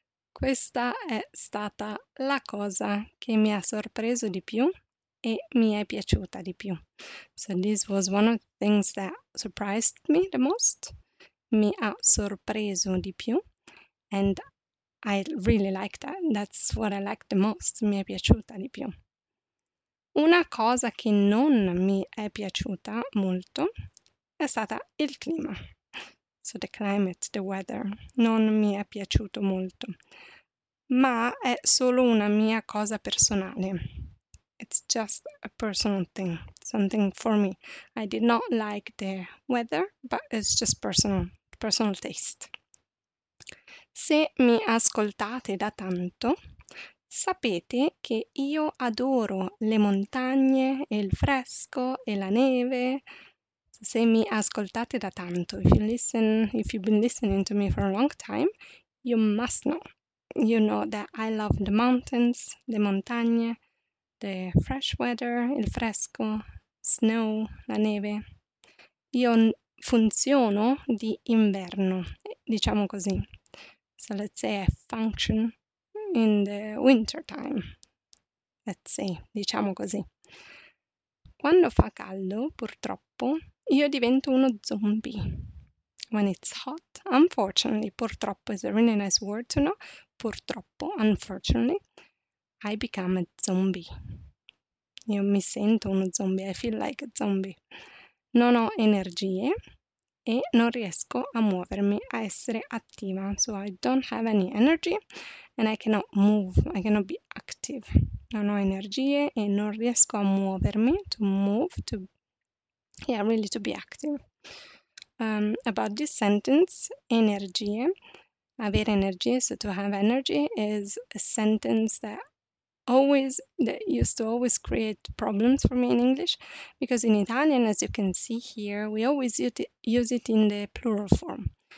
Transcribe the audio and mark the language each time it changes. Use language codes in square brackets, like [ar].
[it] Questa è stata la cosa che mi ha sorpreso di più e mi è piaciuta di più. [en] So this was one of the things that surprised me the most. [it] Mi ha sorpreso di più. [en] And I really like that. That's what I like the most. [it] Mi è piaciuta di più. Una cosa che non mi è piaciuta molto è stata il clima. [en] So the climate, the weather, [it] non mi è piaciuto molto. Ma è solo una mia cosa personale. [en] It's just a personal thing, something for me. I did not like the weather, but it's just personal taste. [it] Se mi ascoltate da tanto, sapete che io adoro le montagne, il fresco e la neve. Se mi ascoltate da tanto, [en] if you've been listening to me for a long time, you must know. You know that I love the mountains, the montagne, the fresh weather, il fresco, snow, la neve. [it] Io funziono di inverno, diciamo così. [en] So let's say I function in the winter time. Let's say, [it] diciamo così. Quando fa caldo, purtroppo, io divento uno zombie. [en] When it's hot, unfortunately, purtroppo is a really nice word to know. Purtroppo, unfortunately, I become a zombie. [it] Io mi sento uno zombie, [en] I feel like a zombie. [it] Non ho energie e non riesco a muovermi, a essere attiva. [en] So I don't have any energy and I cannot move, I cannot be active. [it] Non ho energie e non riesco a muovermi, [en] to move, to, yeah, really to be active. About this sentence, energie, avere energie, so to have energy, is a sentence that always, that used to always create problems for me in English, because in Italian, as you can see here, we always use it in the plural form.